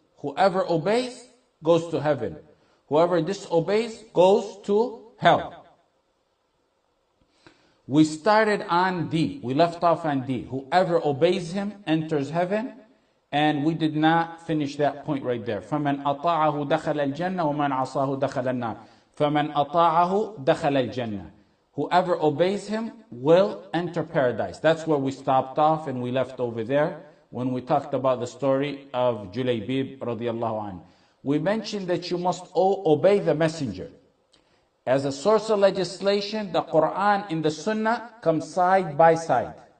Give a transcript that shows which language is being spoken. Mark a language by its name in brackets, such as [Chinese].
[English] Whoever obeys goes to heaven. Whoever disobeys goes to hell. We started on D. We left off on D. Whoever obeys him enters heaven. And we did not finish that point right there. [Arabic] فَمَنْ أَطَاعَهُ دَخَلَ الْجَنَّةِ وَمَنْ عَصَاهُ دَخَلَ النَّارِ فَمَنْ أَطَاعَهُ دَخَلَ الْجَنَّةِ [English] Whoever obeys him will enter paradise. That's where we stopped off and we left over there when we talked about the story of Julaybib رضي الله عنه. We mentioned that you must obey the messenger. As a source of legislation, the Quran and the Sunnah come side by side.